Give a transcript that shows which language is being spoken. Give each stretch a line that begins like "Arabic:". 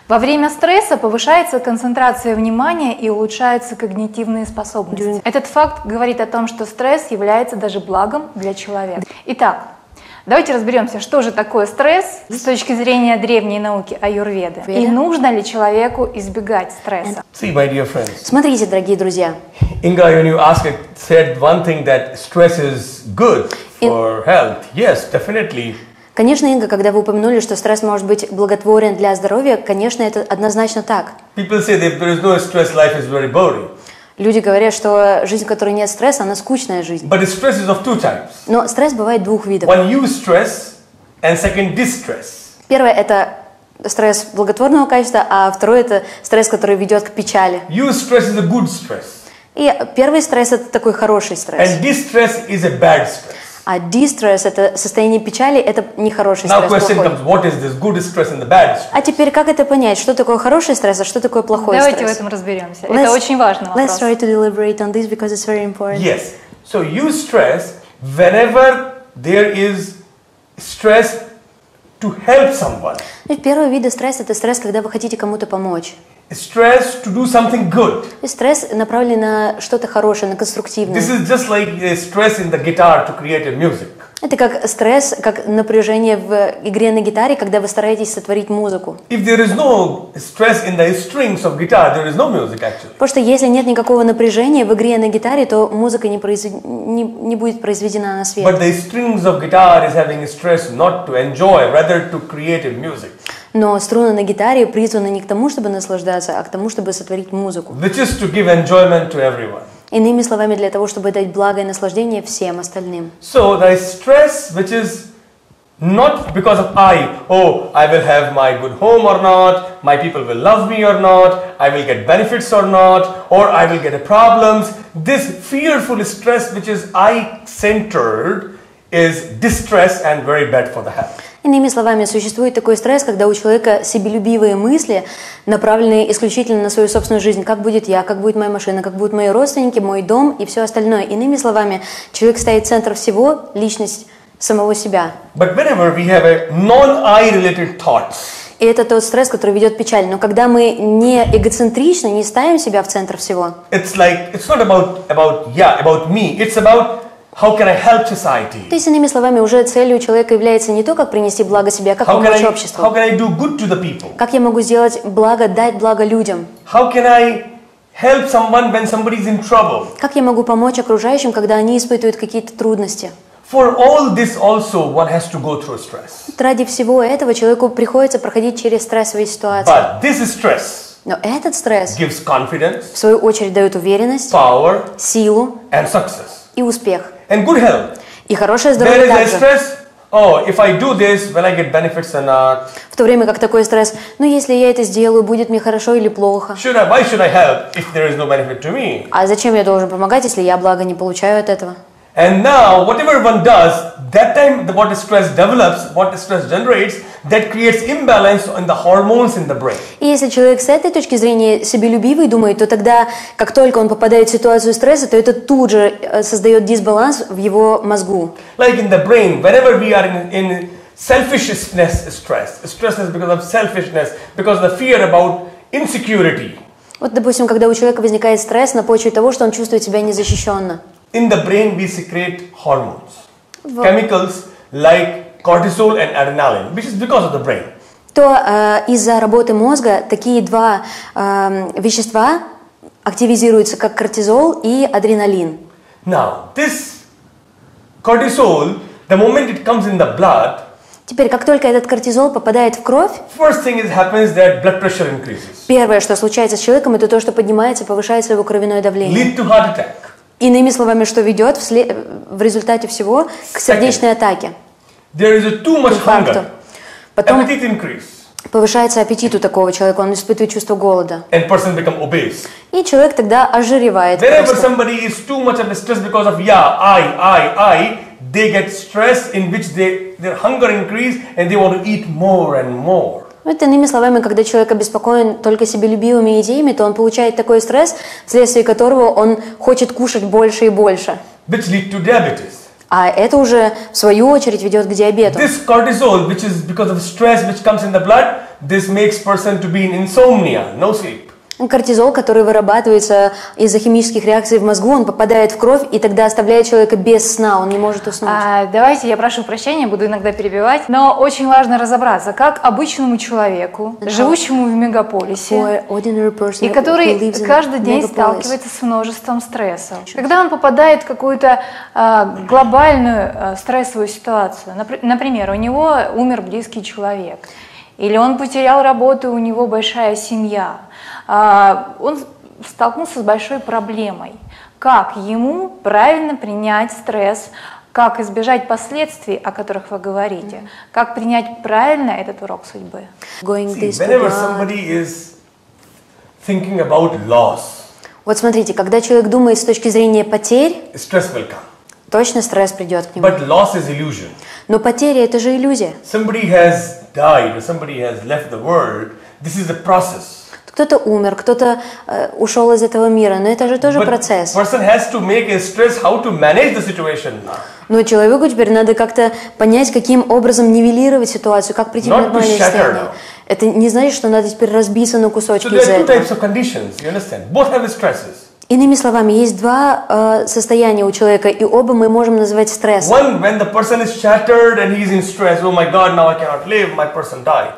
Russian: Во время стресса повышается концентрация внимания и улучшаются когнитивные способности. Этот факт говорит о том, что стресс является даже благом для человека. Итак, давайте разберемся, что же такое стресс с точки зрения древней науки аюрведы. И нужно ли человеку избегать стресса?
English: See, my dear friends.
Russian: Смотрите, дорогие друзья.
English: Inga, when you asked, said one thing, that stress is good for health. Yes, definitely.
Russian: Конечно, Инга, когда вы упомянули, что стресс может быть благотворен для здоровья, конечно, это однозначно так.
English: People say that if there is no stress, life is very boring.
Russian: Люди говорят, что жизнь, в которой нет стресса, она скучная жизнь.
English: But stress is of two types.
Russian: Но стресс бывает двух видов.
English: One new stress and second distress.
Russian: Первое – это стресс благотворного качества, а второе – это стресс, который ведет к печали.
English: New stress is a good stress.
Russian: И первый стресс – это такой хороший стресс.
English: And distress is a bad stress.
Russian: А distress – это состояние печали, это нехороший стресс, плохой.
English: Now question comes, what is this good stress and the bad stress?
Russian: А теперь как это понять, что такое хороший стресс, а что такое плохой Давайте стресс? Давайте в этом разберемся.
English: Let's,
Russian: это очень важный вопрос.
English: Let's try to deliberate on this because it's very important. Yes. So you stress whenever there is stress to help someone.
Russian: И первый вид стресса – это стресс, когда вы хотите кому-то помочь.
English: Stress to do something good.
Russian: И стресс направлен на что-то хорошее, на конструктивное.
English: This is just like a stress in the guitar to create a music.
Russian: Это как стресс, как напряжение в игре на гитаре, когда вы стараетесь сотворить музыку.
English: If there is no stress in the strings of guitar, there is no music actually.
Russian: Потому что если нет никакого напряжения в игре на гитаре, то музыка не будет произведена на свет.
English: But the strings of guitar is having a stress not to enjoy, rather to create a music.
Russian: Но струны на гитаре призваны не к тому, чтобы наслаждаться, а к тому, чтобы сотворить музыку.
English: Which is to give enjoyment to everyone.
Russian: Иными словами, для того, чтобы дать благо и наслаждение всем остальным.
English: So the stress, which is not because of I will have my good home or not, my people will love me or not, I will get benefits or not, or I will get problems. This fearful stress, which is I-centered, is distress and very bad for the health.
Russian: Иными словами, существует такой стресс, когда у человека себелюбивые мысли, направленные исключительно на свою собственную жизнь. Как будет я, как будет моя машина, как будут мои родственники, мой дом и все остальное. Иными словами, человек стоит в центре всего, личность самого себя.
English: But whenever we have a non-I-related thoughts.
Russian: И это тот стресс, который ведет печаль. Но когда мы не эгоцентричны, не ставим себя в центр всего.
English: It's like, it's not about
Russian: я,
English: about me, it's about... How can I help society?
Russian: То есть, иными словами, уже целью человека является не то, как принести благо себе, а как помочь обществу.
English: How can I do good to the people?
Russian: Как я могу сделать благо, дать благо людям?
English: How can I help someone when somebody's in trouble?
Russian: Как я могу помочь окружающим, когда они испытывают какие-то трудности?
English: For all this also one has to go through stress.
Russian: Ради всего этого человеку приходится проходить через стрессовые ситуации.
English: But this is stress.
Russian: Но этот стресс
English: gives confidence,
Russian: в свою очередь дает уверенность,
English: power,
Russian: силу
English: and success.
Russian: И успех.
English: And good health.
Russian: И хорошее здоровье
English: There is
Russian: также.
English: A stress. Oh, if I do this, will I get benefits or not?
Russian: В то время как такой стресс, ну если я это сделаю, будет мне хорошо или плохо?
English: Should I, why should I help if there is no benefit to me?
Russian: А зачем я должен помогать, если я благо не получаю от этого?
English: And now, whatever one does, that time what the stress develops, what the stress generates, that creates imbalance in the hormones in the brain.
Russian: И если человек с этой точки зрения себелюбивый думает, то тогда, как только он попадает в ситуацию стресса, то это тут же создает дисбаланс в его мозгу.
English: Like in the brain, whenever we are in selfishness stress, stressness because of selfishness, because of the fear about insecurity.
Russian: Вот, допустим, когда у человека возникает стресс на почве того, что он чувствует себя незащищенно.
English: In the brain we secrete hormones, chemicals like cortisol and adrenaline, which is because of the brain.
Russian: То из-за работы мозга такие два вещества активизируются, как кортизол и адреналин.
English: Now, this cortisol, the moment it comes in the blood,
Russian: Теперь, как только этот кортизол попадает в кровь,
English: first thing is happens that blood pressure increases.
Russian: Первое, что случается с человеком, это то, что поднимается, повышает свое кровяное давление.
English: Lead to heart attack.
Russian: Иными словами, что ведет в результате всего к сердечной атаке.
English: There is too much hunger.
Russian: Потом
English: appetite increase.
Russian: Повышается аппетит у такого человека, он испытывает чувство голода.
English: And person become obese.
Russian: И человек тогда ожиревает.
English: Whenever
Russian: просто.
English: Somebody is too much under stress because of I, they get stress in which their hunger increase and they want to eat more and more.
Russian: Это, иными словами, когда человек обеспокоен только себелюбивыми идеями, то он получает такой стресс, вследствие которого он хочет кушать больше и больше.
English: Which lead to diabetes.
Russian: А это уже, в свою очередь, ведет к диабету.
English: This cortisol, which is because of stress, which comes in the blood, this makes person to be in insomnia, no sleep.
Russian: Кортизол, который вырабатывается из-за химических реакций в мозгу, он попадает в кровь и тогда оставляет человека без сна, он не может уснуть. Давайте, я прошу прощения, буду иногда перебивать, но очень важно разобраться, как обычному человеку, живущему в мегаполисе, и который каждый день сталкивается с множеством стрессов. Когда он попадает в какую-то глобальную стрессовую ситуацию, например, у него умер близкий человек, или он потерял работу, у него большая семья, он столкнулся с большой проблемой. Как ему правильно принять стресс? Как избежать последствий, о которых вы говорите? Как принять правильно этот урок судьбы?
English: Whenever somebody is thinking about loss.
Russian: Вот смотрите, когда человек думает с точки зрения потерь,
English: stress will come.
Russian: Точно стресс придет к нему.
English: But loss is illusion.
Russian: Но потеря — это же иллюзия.
English: Somebody has died, somebody has left the world. This is a process.
Russian: Кто-то умер, кто-то ушел из этого мира, но это же тоже процесс.
English: Person has to make a stress how to manage the situation.
Russian: Но человеку теперь надо как-то понять, каким образом нивелировать ситуацию, как прийти к нормальному состоянию. Это не значит, что надо теперь разбиться на кусочки из-за этого.
English: So there are two types of conditions, you understand? Both have stresses.
Russian: Иными словами, есть два состояния у человека, и оба мы можем назвать стрессом.
English: One, when the person is shattered and he's in stress, oh my God, now I cannot live, my person died.